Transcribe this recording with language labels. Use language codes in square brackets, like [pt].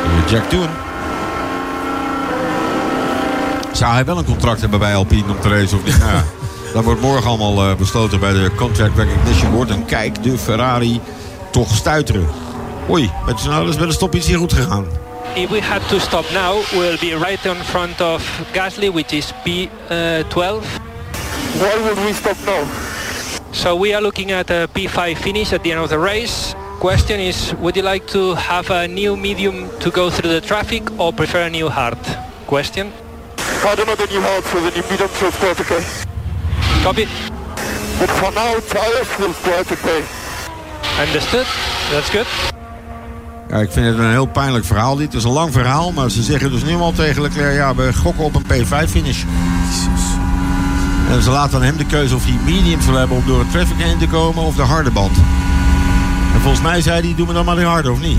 [nl] Jack Doon. Zou hij wel een contract hebben bij Alpine om te racen of niet? Ja, dat wordt morgen allemaal besloten bij de contract recognition board. En kijk de Ferrari toch stuiteren. Oei, met Tsunoda is wel een stop iets hier goed gegaan. [en] If we had to stop now, we'll be right in front of Gasly, which is P12. Why would we stop now? So we are looking at a P5 finish at the end of the race. Question is, would you like to have a new medium to go through the traffic or prefer a new hard? Question? I don't know the new hard, so the new medium feels quite okay. Copy. But for now, tires feels quite okay. Understood. That's good. [nl] Ja, ik vind het een heel pijnlijk verhaal dit. Het is een lang verhaal, maar ze zeggen dus nu al tegen Leclerc, ja, we gokken op een P5 finish. Jesus. En ze laten aan hem de keuze of hij mediums wil hebben om door het traffic heen te komen of de harde band. En volgens mij zei hij, doen we dan maar de harde, of niet?